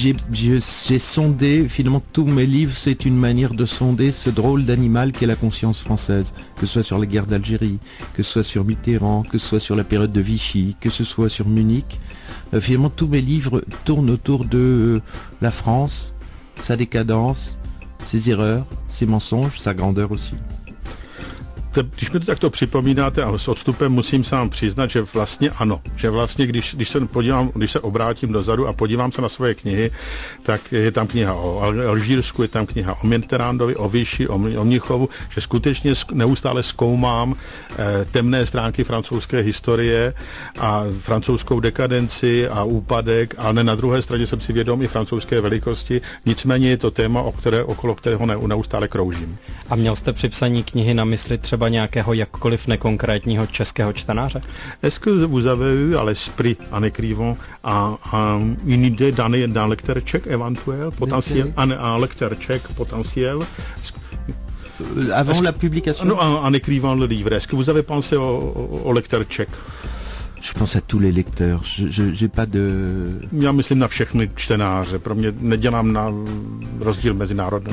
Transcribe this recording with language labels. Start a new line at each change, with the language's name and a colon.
French: J'ai sondé, finalement, tous mes livres, c'est une manière de sonder ce drôle d'animal qu'est la conscience française, que ce soit sur la guerre d'Algérie, que ce soit sur Mitterrand, que ce soit sur la période de Vichy, que ce soit sur Munich. Finalement, tous mes livres tournent autour de la France, sa décadence, ses erreurs, ses mensonges, sa grandeur aussi.
Czech: Když mi to takto připomínáte a s odstupem musím sám přiznat, že vlastně ano. Že vlastně, když se obrátím dozadu a podívám se na svoje knihy, tak je tam kniha o Alžírsku, je tam kniha o Mitterrandovi, o Vichy, o Mnichovu, že skutečně neustále zkoumám temné stránky francouzské historie a francouzskou dekadenci a úpadek, ale na druhé straně jsem si vědom i francouzské velikosti. Nicméně je to téma, okolo kterého neustále kroužím. A měl jste při psaní knihy na mysli třeba nějakého jakkoliv nekonkrétního českého čtenáře?
French: Est-ce que vous avez eu à l'esprit en écrivant une idée d'un lecteur tchèque éventuel, potentiel, un lecteur tchèque potentiel? Avant la publication? Non, en écrivant le livre. Est-ce que vous avez pensé au lecteur tchèque? Je pense à tous les lecteurs. J'ai pas de.
Czech: Já myslím na všechny čtenáře. Pro mě nedělám na rozdíl mezi národnostmi.